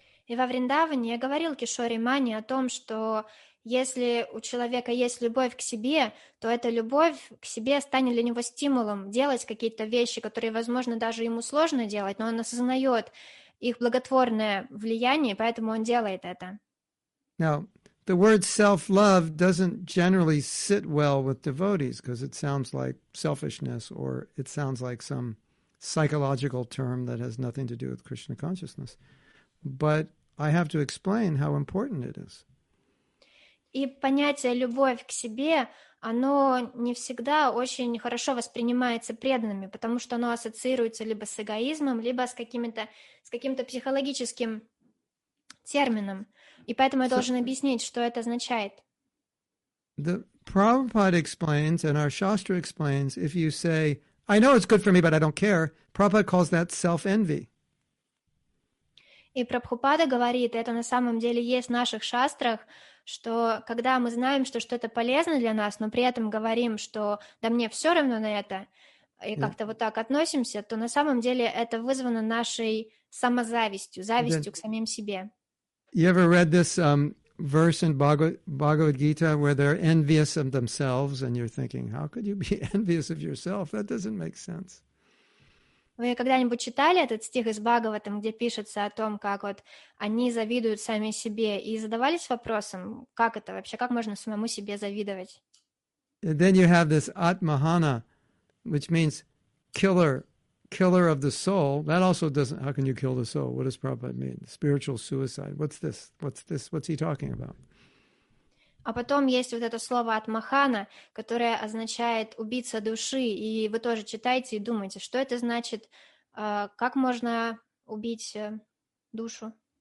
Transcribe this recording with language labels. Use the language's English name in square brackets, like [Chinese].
[Russian] И во Вриндаване я говорил Кишоре Мане о том, что если у человека есть любовь к себе, то эта любовь к себе станет для него стимулом делать какие-то вещи, которые, возможно, даже ему сложно делать, но он осознает их благотворное влияние, поэтому он делает это. [English] Now, the word self-love doesn't generally sit well with devotees because it sounds like selfishness or it sounds like some psychological term that has nothing to do with Krishna consciousness. But I have to explain how important it is. [Russian] И понятие «любовь к себе», оно не всегда очень хорошо воспринимается преданными, потому что оно ассоциируется либо с эгоизмом, либо с каким-то психологическим термином. И поэтому я должен объяснить, что это означает. [English] The Prabhupada explains, and our Shastra explains, if you say, I know it's good for me, but I don't care, Prabhupada calls that self-envy. [Russian] И Прабхупада говорит, и это на самом деле есть в наших шастрах, что когда мы знаем, что что-то полезно для нас, но при этом говорим, что да мне все равно на это, и как-то вот так относимся, то на самом деле это вызвано нашей самозавистью, завистью к самим себе. [English] You ever read this verse in Bhagavad-gita where they're envious of themselves, and you're thinking, how could you be envious of yourself? That doesn't make sense. [Russian] Вы когда-нибудь читали этот стих из Бхагаватам, где пишется о том, как вот они завидуют сами себе, и задавались вопросом, как это вообще, как можно самому себе завидовать? [English] And then you have this Atmahana, which means killer, killer of the soul. That also doesn't, how can you kill the soul? What does Prabhupada mean? Spiritual suicide. What's this? What's this? What's he talking about? [Russian] А потом есть вот это слово «атмахана», которое означает «убийца души», и вы тоже читаете и думаете, что это значит, как можно убить душу?